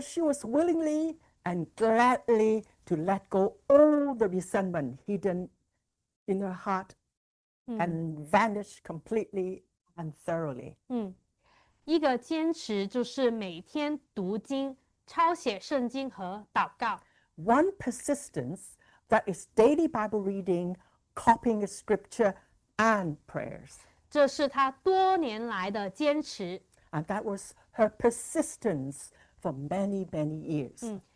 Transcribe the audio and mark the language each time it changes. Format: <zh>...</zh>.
<en>she was willingly and gladly to let go all the resentment hidden in her heart and vanish completely and thoroughly.</en> <zh>一个坚持就是每天读经、抄写圣经和祷告。</zh> <en>One persistence that is daily Bible reading, copying a scripture, and prayers.</en> <zh>这是她多年来的坚持。</zh> <en>And that was her persistence for many, many years.</en>